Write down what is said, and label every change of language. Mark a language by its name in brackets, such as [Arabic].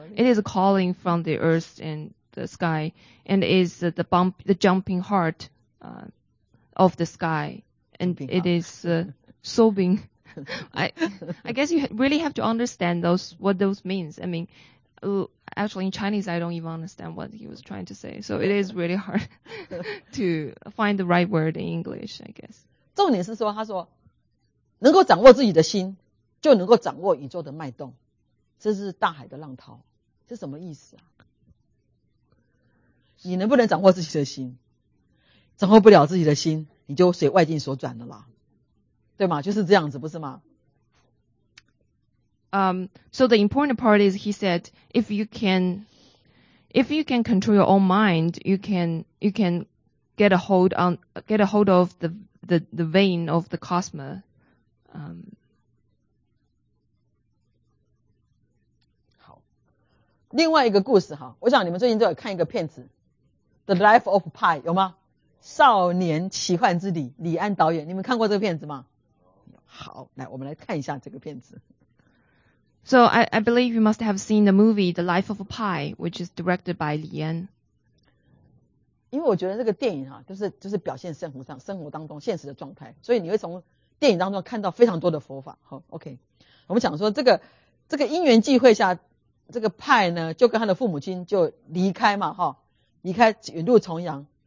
[English] It is calling from the earth and the sky. And is the jumping heart, of the sky, and it is sobbing. I guess you really have to understand those what those means. I mean, actually in Chinese, I don't even understand what he was trying to say. So it is really hard to find the right word in English, I guess. [Chinese] 重点是说，他说，能够掌握自己的心，就能够掌握宇宙的脉动，这是大海的浪涛，这什么意思啊？你能不能掌握自己的心？掌握不了自己的心，你就随外境所转了啦，对吗？就是这样子，不是吗？ [English] So the important part is, he said, if you can control your own mind, you can get a hold of the vein of the cosmos. How? [Chinese] 另外一个故事哈，我想你们最近都有看一个片子，《The Life of Pi》，有吗？少年奇幻之旅，李安导演，你们看过这个片子吗？好，来，我们来看一下这个片子。 [English] So I believe you must have seen the movie The Life of Pi, which is directed by 李安。 [Chinese] 因为我觉得这个电影哈、啊，就是表现生活当中现实的状态，所以你会从电影当中看到非常多的佛法。好 ，OK， 我们讲说这个因缘际会下，这个派呢就跟他的父母亲就离开嘛，哈，离开远渡重洋。